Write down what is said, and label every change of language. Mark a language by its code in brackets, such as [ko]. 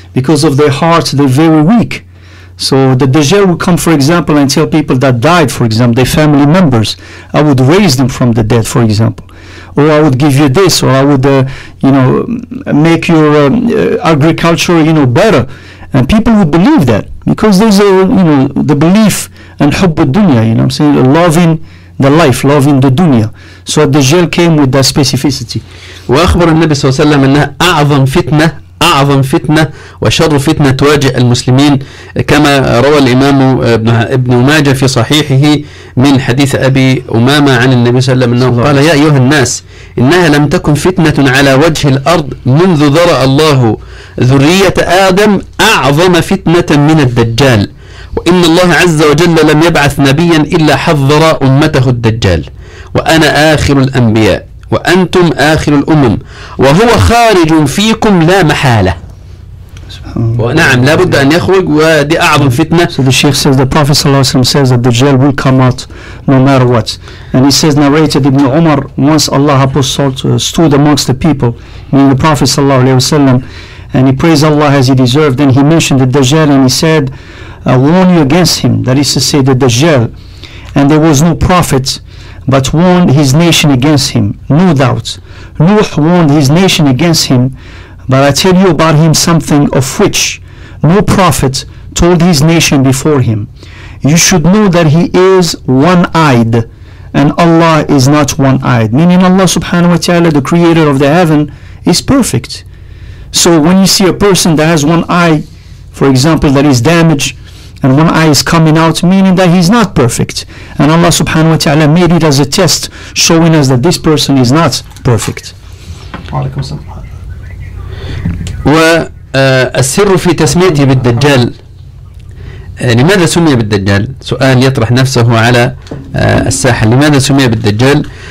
[en] because of their hearts they're very weak, so the Dajjal will come for example and tell people that died, for example their family members, I would raise them from the dead, for example, or I would give you this, or I would, you know, make your agriculture, you know, better. And people would believe that because there's a, you know, the belief and hubb al-dunya, you know what I'm saying, loving the life, loving the dunya. So Ad-Dajjal came with that specificity. [ar] وأخبر النبي صلى الله عليه وسلم أنها أعظم فتنة أعظم فتنة وشر فتنة تواجه المسلمين، كما روى الإمام ابن ماجه في صحيحه من حديث أبي أمامة عن النبي صلى الله عليه وسلم قال: يا أيها الناس إنها لم تكن فتنة على وجه الأرض منذ ذرأ الله ذرية آدم أعظم فتنة من الدجال، وإن الله عز وجل لم يبعث نبيا إلا حذر أمته الدجال، وأنا آخر الأنبياء وأنتم آخر الأمم، وهو خارج فيكم لا محالة. ونعم لابد أن يخرج، ودي أعظم فتنة. [en] So the Sheikh says the Prophet [ar] صلى الله عليه وسلم [en] says that the Dajjal will come out no matter what. And he says narrated Ibn Umar once Allah stood amongst the people, meaning the Prophet [ar] صلى الله عليه وسلم, [en] and he praised Allah as he deserved. Then he mentioned the Dajjal and he said, I warn you against him. That is to say the Dajjal, and there was no prophet but warned his nation against him, no doubt. Nuh warned his nation against him, but I tell you about him something of which no prophet told his nation before him. You should know that he is one-eyed, and Allah is not one-eyed. Meaning Allah subhanahu wa ta'ala, the creator of the heaven, is perfect. So when you see a person that has one eye, for example, that is damaged, and one eye is coming out, meaning that he's not perfect. And Allah subhanahu wa ta'ala made it as a test, showing us that this person is not perfect. [ar] والسر في تسميته بالدجال، لماذا سمي بالدجال؟ سؤال يطرح نفسه على الساحة، لماذا سمي بالدجال؟